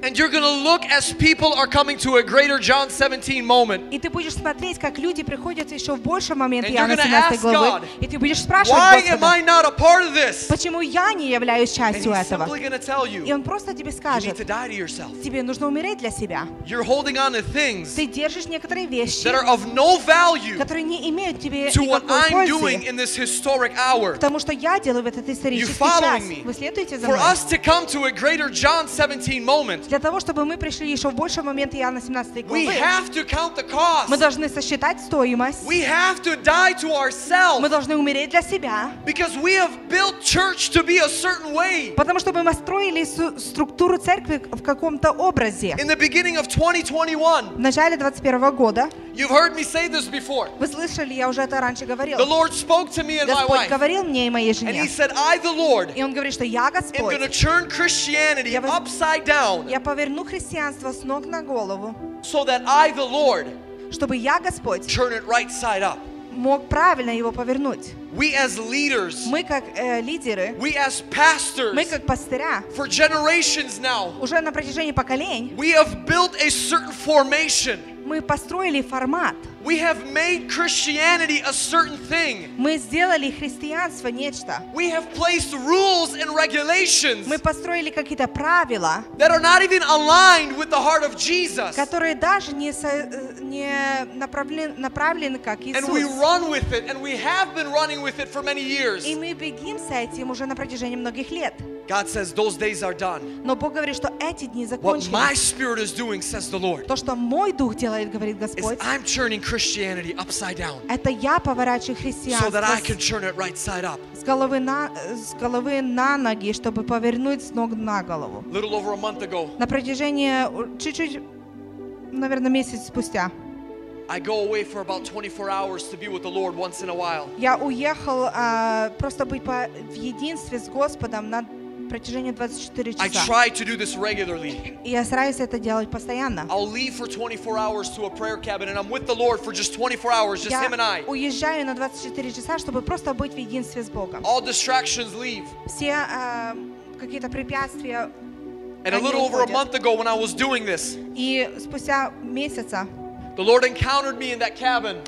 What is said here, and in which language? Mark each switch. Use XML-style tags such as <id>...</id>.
<en>And you're going to look as people are coming to a greater John 17 moment.</en> <ru>И ты будешь смотреть, как люди приходят еще в больший момент Иоанна 17 главы.</ru> <en>And you're going to ask God, why am I not a part of this?</en> <ru>Почему я не являюсь частью этого?</ru> <en>And he's simply going to tell you.</en> <ru>И он просто тебе скажет.</ru> <en>You need to die to yourself.</en> <ru>Тебе нужно умереть для себя.</ru> <en>You're holding on to things.</en> <ru>Ты держишь некоторые вещи.</ru> <en>That are of no value.</en> <ru>Которые не имеют тебе никакой пользы.</ru> <en>To what I'm doing in this historic hour.</en> <ru>Потому что я делаю в этот исторический</ru> <en>Following me. For us to come to a greater John 17 moment.</en> <ru>Для того чтобы мы пришли еще в больший момент Иоанна 17 главы.</ru> <en>We have to count the cost.</en> <ru>Мы должны сосчитать стоимость.</ru> <en>We have to die to ourselves.</en> <ru>Мы должны умереть для себя.</ru> <en>Because we have built church to be a certain way.</en> <ru>Потому что мы построили структуру церкви в каком-то образе.</ru> <en>In the beginning of 2021.</en> <ru>В начале 21 года.</ru> <en>You've heard me say this before.</en> <ru>Вы слышали, я уже это раньше говорил.</ru> <en>The Lord spoke to me and my wife.</en> <ru>Господь говорил мне и моей жене.</ru> <en>And He said, I the Lord.</en> <ru>И он говорит, что я Господь.</ru> <en>I'm going to turn Christianity upside down.</en> <ru>Я поверну христианство с ног на голову.</ru> <en>So that I the Lord.</en> <ru>Чтобы я Господь.</ru> <en>Turn it right side up.</en> <ru>Мог правильно его повернуть.</ru> <en>We as leaders.</en> <ru>Мы как лидеры.</ru> <en>We as pastors.</en> <ru>Мы как пастыря.</ru> <en>For generations now.</en> <ru>Уже на протяжении поколений.</ru> <en>We have built a certain formation.</en> <ru>Мы построили формат.</ru> <en>We have made Christianity a certain thing.</en> <ru>Мы сделали христианство нечто.</ru> <en>We have placed rules and regulations.</en> <ru>Мы построили какие-то правила.</ru> <en>That are not even aligned with the heart of Jesus.</en> <ru>Которые даже не направлены как Иисус.</ru> <en>And we run with it, and we have been running with it for many years.</en> <ru>И мы бегим с этим уже на протяжении многих лет.</ru> <en>God says those days are done.</en> <ru>Но Бог говорит, что эти дни закончились.</ru> <en>What my spirit is doing, says the Lord.</en> <ru>То, что мой дух делает, говорит Господь.</ru> <en>I'm turning Christianity upside down.</en> <ru>Это я поворачиваю христианство.</ru> <en>So that I can turn it right side up.</en> <ru>С головы на ноги, чтобы повернуть с ног на голову.</ru> <en>Little over a month ago.</en> <ru>На протяжении чуть-чуть, наверное, месяц спустя.</ru> <en>I go away for about 24 hours to be with the Lord once in a while.</en> <ru>Я уехал просто быть в единстве с Господом на протяжении 24 часа.</ru> <en>I try to do this regularly.</en> <ru>Я стараюсь это делать постоянно.</ru> <en>I'll leave for 24 hours to a prayer cabin and I'm with the Lord for just 24 hours, just Him and I.</en> <ru>Я уезжаю на 24 часа, чтобы просто быть в единстве с Богом.</ru> <en>All distractions leave.</en> <ru>Все какие-то препятствия.</ru> <en>And a little over a month ago when I was doing this.</en> <ru>И спустя месяца.</ru> <en>The Lord encountered me in that cabin.</en>